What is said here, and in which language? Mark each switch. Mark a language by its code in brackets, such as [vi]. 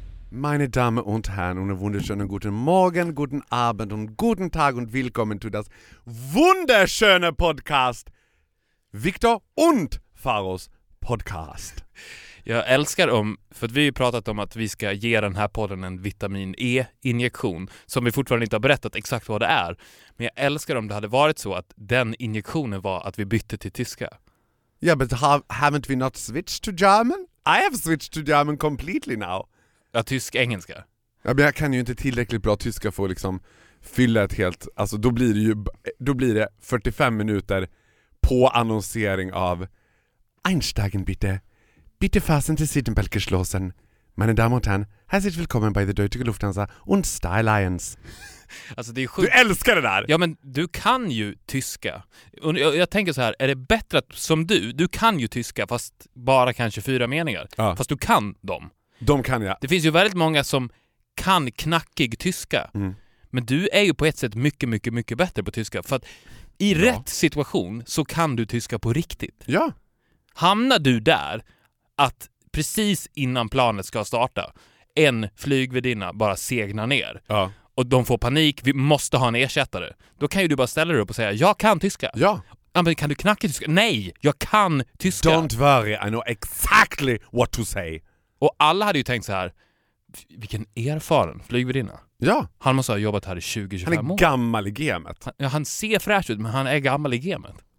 [de] Meine Damen und Herren, einen wunderschönen guten Morgen, guten Abend und guten Tag und willkommen zu das wunderschöne Podcast. Victor und Faros Podcast. [sv] Jag älskar om, för att vi har ju pratat om att vi ska ge den här podden en vitamin E-injektion som vi fortfarande inte har berättat exakt vad det är. Men jag älskar om det hade varit så att den injektionen var att vi bytte till tyska. [en] Ja, yeah, but haven't we not switched to German? I have switched to German completely now. [sv] Ja, tysk-engelska. Ja, men jag kan ju inte tillräckligt bra tyska för att liksom fylla ett helt... Alltså, då blir det 45 minuter på annonsering av [de] Einsteigen bitte. Bitte fassen Sie Sittenbälke schlossen. Meine Damen und Herren, herzlich willkommen bei der Deutsche Lufthansa und Star Alliance. [sv] Alltså det är du älskar det där. Ja, men du kan ju tyska. Och jag tänker så här, är det bättre att som du kan ju tyska fast bara kanske 4 meningar. Ja. Fast du kan dem. De kan jag. Det finns ju väldigt många som kan knackig tyska. Mm. Men du är ju på ett sätt mycket, mycket, mycket bättre på tyska. För att i rätt situation så kan du tyska på riktigt. Ja. Hamnar du där att precis innan planet ska starta en flygvärdinna bara segnar ner. Ja. Och de får panik, vi måste ha en ersättare. Då kan ju du bara ställa dig upp och säga, jag kan tyska. Ja. Ja, men kan du knacka tyska? Nej, jag kan tyska. [en] Don't worry, I know exactly what to say. [sv] Och alla hade ju tänkt så här, vilken erfaren flygvärdinna. Ja. Han måste ha jobbat här i 20-25 år. Han är gammal i gamet. Han ser fräsch ut, men han är gammal i gamet.